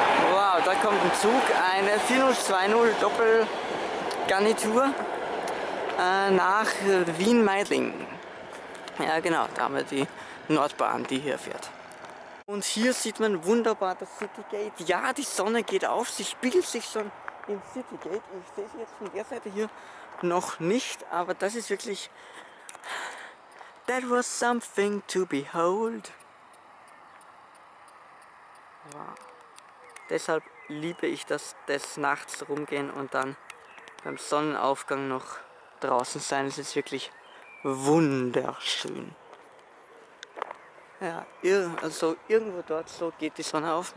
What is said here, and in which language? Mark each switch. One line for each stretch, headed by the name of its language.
German: Wow, da kommt ein Zug, eine 4020 Doppelgarnitur nach Wien-Meidling. Ja genau, da haben wir die Nordbahn, die hier fährt. Und hier sieht man wunderbar das City Gate. Ja, die Sonne geht auf, sie spiegelt sich schon im City Gate. Ich sehe sie jetzt von der Seite hier noch nicht, aber das ist wirklich...
English: That was something to behold. Wow.
German: Deshalb liebe ich das, des Nachts rumgehen und dann beim Sonnenaufgang noch draußen sein. Es ist wirklich wunderschön. Ja, also irgendwo dort so geht die Sonne auf.